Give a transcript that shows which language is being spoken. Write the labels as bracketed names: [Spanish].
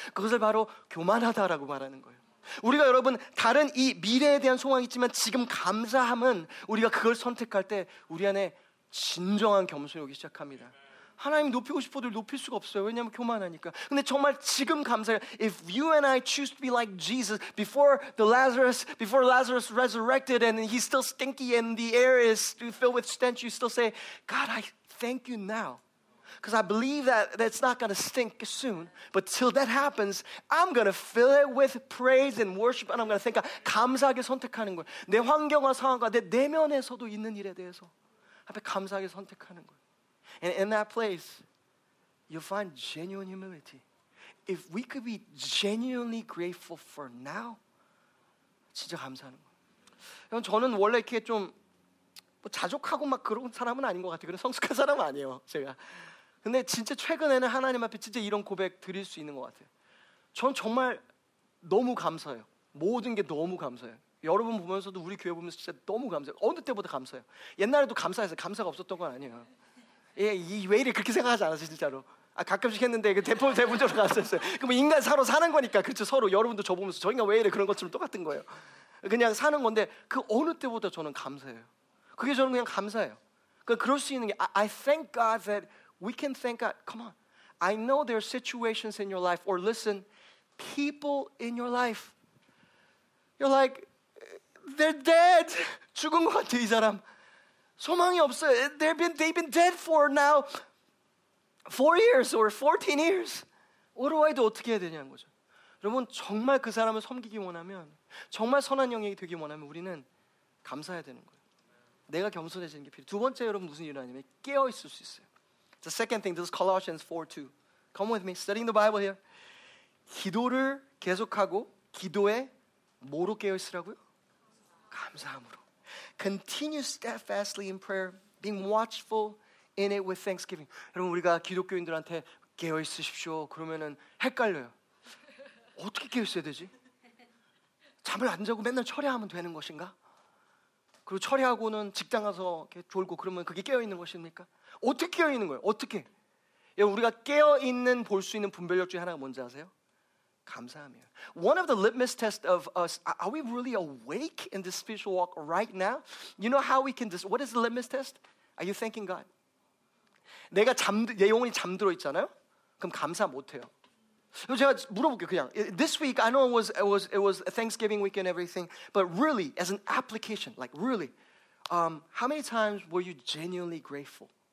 [Korean] 그것을 바로 교만하다라고 말하는 거예요. 우리가 여러분 다른 이 미래에 대한 소망이 있지만 지금 감사함은 우리가 그걸 선택할 때 우리 안에 진정한 겸손이 오기 시작합니다. 하나님 높이고 싶어도 높일 수가 없어요. 왜냐하면 교만하니까. 근데 정말 지금 감사해요. [English] If you and I choose to be like Jesus before Lazarus resurrected and he's still stinky and the air is filled with stench, you still say, God, I thank you now. Because I believe that it's not going to stink soon. But till that happens, I'm going to fill it with praise and worship and I'm going to thank God. [Korean] 감사하게 선택하는 거예요. 내 환경과 상황과 내 내면에서도 있는 일에 대해서 앞에 감사하게 선택하는 거예요. [English] And in that place, you'll find genuine humility. If we could be genuinely grateful for now, [Korean] 진짜 감사하는 거예요. 저는 원래 이렇게 좀 뭐 자족하고 막 그런 사람은 아닌 것 같아요. 그런 성숙한 사람은 아니에요, 제가. 근데 진짜 최근에는 하나님 앞에 진짜 이런 고백 드릴 수 있는 것 같아요. 전 정말 너무 감사해요. 모든 게 너무 감사해요. 여러분 보면서도 우리 교회 보면서 진짜 너무 감사해요. 어느 때보다 감사해요. 옛날에도 감사해서 감사가 없었던 건 아니에요. 예, 왜 이래 그렇게 생각하지 않았어요, 진짜로. 아, 가끔씩 했는데 대부분적으로 갔었어요. 그럼 인간 서로 사는 거니까, 그렇죠. 서로 여러분도 저 보면서 저 인간 왜 이래 그런 것처럼 똑같은 거예요. 그냥 사는 건데 그 어느 때보다 저는 감사해요. 그게 저는 그냥 감사해요. 그럴 수 있는 게 [English] I thank God that we can thank God. Come on. I know there are situations in your life or listen, people in your life. You're like, they're dead. [Korean] 죽은 것 같아, 이 사람. 소망이 없어요. [English] They've been dead for now 4 years or 14 years. What do I do? [Korean] 어떻게 해야 되냐는 거죠. 여러분, 정말 그 사람을 섬기기 원하면, 정말 선한 영향이 되기 원하면 우리는 감사해야 되는 거예요. 내가 겸손해지는 게 필요해요. 두 번째, 여러분, 무슨 일이 아니면 깨어있을 수 있어요. [English] The second thing, this is Colossians 4:2. Come with me, studying the Bible here. [Korean] 기도를 계속하고 기도에 뭐로 깨어있으라고요? 감사함으로. [English] Continue steadfastly in prayer, being watchful in it with thanksgiving. [Korean] 여러분, 우리가 기독교인들한테 깨어 있으십시오. 그러면은 헷갈려요. 어떻게 깨어 있어야 되지? 잠을 안 자고 맨날 철야하면 되는 것인가? 그리고 철야하고는 직장 가서 이렇게 졸고 그러면 그게 깨어있는 것입니까? 어떻게 깨어있는 거예요? 어떻게? 여러분, 우리가 깨어있는 볼 수 있는 분별력 중에 하나가 뭔지 아세요? 감사하면. [English] One of the litmus tests of us, are we really awake in this spiritual walk right now? You know how we can, what is the litmus test? Are you thanking God? [Korean] 내가 잠, 내 영혼이 잠들어 있잖아요? 그럼 감사 못해요. 제가 물어볼게요, 그냥. [English] This week, I know it was Thanksgiving week and everything, but really, as an application, like really, how many times were you genuinely grateful?